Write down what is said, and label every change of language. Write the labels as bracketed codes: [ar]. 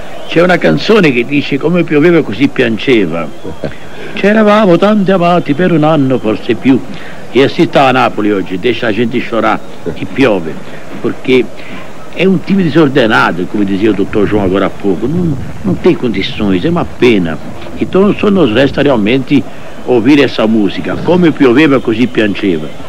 [it] C'è una canzone che dice come pioveva così piangeva. Ci eravamo tanti amati per un anno, forse più. E si sta a Napoli oggi, [pt] deixa a gente chorar [it] e piove. Perché è un time disordinato, come diceva il dottor João [pt] agora há pouco. [it] Non [pt] tem condições, [it] è una pena. [pt] Então só nos resta realmente ouvir essa música. [it] Come pioveva così piangeva.